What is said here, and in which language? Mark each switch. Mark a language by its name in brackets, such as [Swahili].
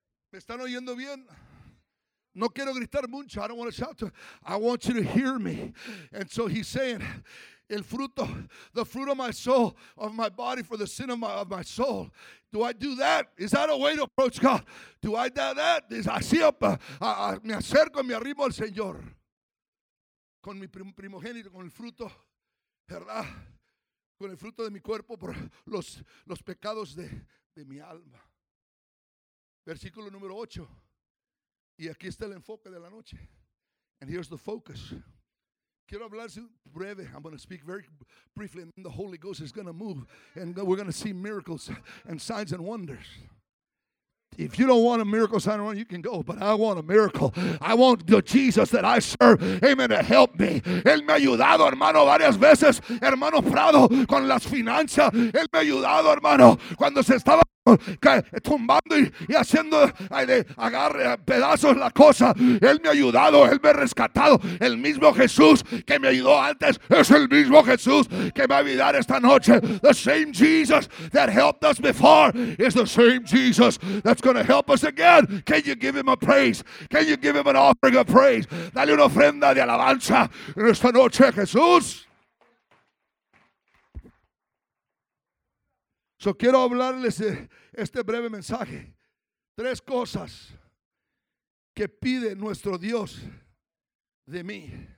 [Spanish] ¿Me están oyendo bien? No quiero gritar mucho. [English] I don't want to shout. I want you to hear me. And so he's saying, [Spanish] el fruto, [English] the fruit of my soul, of my body, for the sin of my soul. Do I do that? Is that a way to approach God? Do I do that? [Spanish] Is así, me acerco, me arrimo al Señor. Con mi primogénito, con el fruto, ¿verdad? Con el fruto de mi cuerpo, por los pecados de mi alma. Versículo número 8. Y aquí está el enfoque de la noche. [English] And here's the focus. [Spanish] Quiero hablar breve. [English] I'm going to speak very briefly, and the Holy Ghost is going to move, and we're going to see miracles and signs and wonders. If you don't want a miracle sign around, you can go, but I want a miracle. I want the Jesus that I serve, amen, to help me. [Spanish] Él me ha ayudado, hermano, varias veces, hermano Prado, con las finanzas. Él me ha ayudado, hermano, cuando se estaba tumbando y haciendo agarre a pedazos la cosa. Él me ha ayudado, Él me ha rescatado. El mismo Jesús que me ayudó antes es el mismo Jesús que me va a ayudar esta noche. [English] The same Jesus that helped us before is the same Jesus that's going to help us again. Can you give Him a praise? Can you give Him an offering of praise? [Spanish] Dale una ofrenda de alabanza en esta noche, Jesús. So quiero hablarles este breve mensaje. Tres cosas que pide nuestro Dios de mí.